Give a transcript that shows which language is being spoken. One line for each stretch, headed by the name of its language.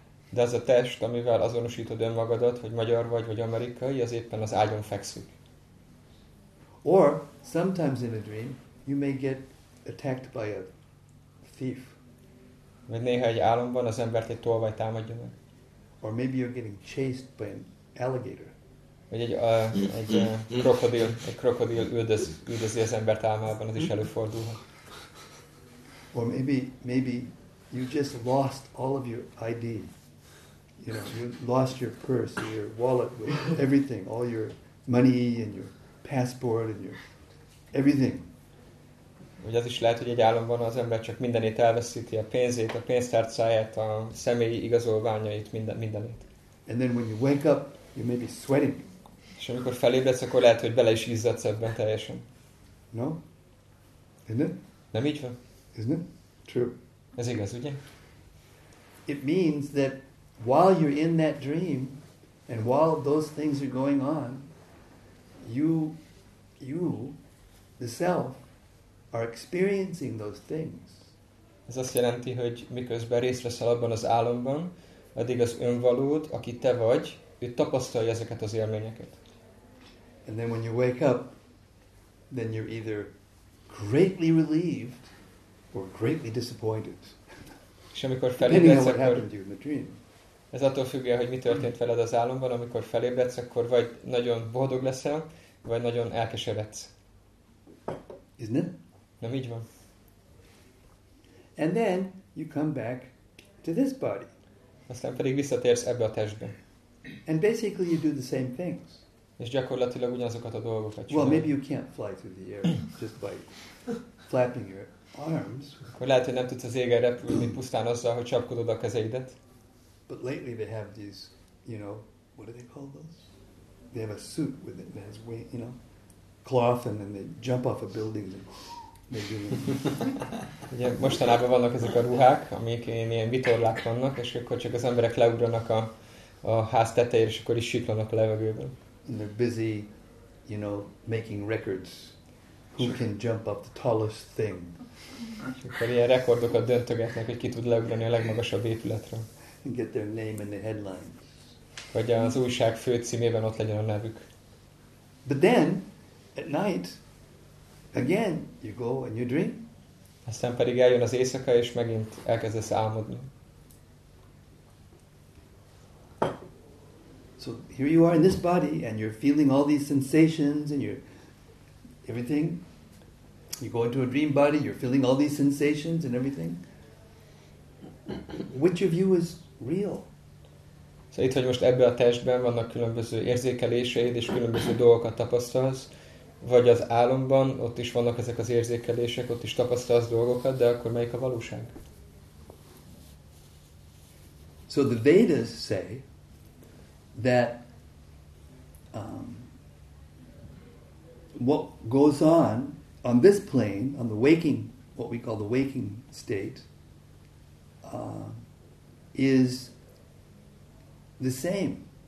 Hungarian: De az a test, amivel azonosítod önmagadat, hogy magyar vagy amerikai, az éppen az ágyon fekszik.
English: Or sometimes in a dream you may get attacked by a thief.
Hungarian: Vagy néha egy álomban az embert egy tolvaj támadja meg.
English: Or maybe you're getting chased by an alligator.
Hungarian: Vagy egy krokodil üldözi az embert álmában, az is előfordulhat.
English: Or maybe you just lost all of your ID. You know, you lost your purse, your wallet, everything, all your money and your passport and your everything.
Hungarian: Vagy az is lehet, hogy egy álomban az ember csak mindenét elveszíti, a pénzét, a pénztárcáját, a személyi igazolványait, mindenét.
English: And then when you wake up, you may be sweating.
Hungarian: És amikor felébredsz, akkor lehet, hogy bele is izzadsz ebben teljesen.
English: No? Isn't it?
Hungarian: Nem így van?
English: Isn't it? True.
Hungarian: Ez igaz, ugye?
English: It means that while you're in that dream, and while those things are going on, you, the self, are experiencing those things.
Hungarian: Ez azt jelenti, hogy miközben részt veszel abban az álomban, addig az önvalód, aki te vagy, ő tapasztalja ezeket az élményeket.
English: And then when you wake up, then you're either greatly relieved or greatly disappointed.
Hungarian: És amikor felébredsz,
English: depending on what happened to you in the dream.
Hungarian: Ez attól függően, hogy mi történt veled az álomban, amikor felébredsz, akkor vagy nagyon boldog leszel, vagy nagyon elkeseredsz.
English: Isn't it?
Hungarian: Nem így van.
English: And then you come back to this body.
Hungarian: Aztán pedig visszatérsz ebbe a testbe.
English: And basically you do the same things.
Hungarian: És gyakorlatilag ugyanazokat a dolgokat csinálod.
English: Well, maybe you can't fly through the air just by flapping your arms.
Hungarian: Akkor lehet, hogy nem tudsz az égen repülni pusztán azzal, hogy csapkodod a kezeidet.
English: But lately they have these, you know, what do they call those? They have a suit with it that has, you know, cloth, and then they jump off a building and
Hungarian: ugye mostanában vannak ezek a ruhák, amik ilyen vitorlák vannak, és akkor csak az emberek leugranak a ház tetejére, és akkor is siklanak a levegőben.
English: And they're busy, you know, making records. Who can jump up the tallest thing?
Hungarian: És akkor ilyen rekordokat döntögetnek, hogy ki tud leugrani a legmagasabb épületre.
English: And get their name in the headlines.
Hungarian: Vagy az újság főcímében ott legyen a nevük.
English: But then, at night, again, you go and you dream.
Hungarian: Aztán pedig eljön az éjszaka, és megint elkezdesz álmodni.
English: So here you are in this body, and you're feeling all these sensations, and you're everything. You go into a dream body, you're feeling all these sensations and everything. Which of you is real?
Hungarian: Szóval itt vagy most ebben a testben, vannak különböző érzékeléseid, és különböző dolgokat tapasztalsz, vagy az álomban, ott is vannak ezek az érzékelések, ott is tapasztalsz dolgokat, de akkor melyik a valóság?
English: So the Vedas say that what goes on this plane, on the waking, what we call the waking state, is the same.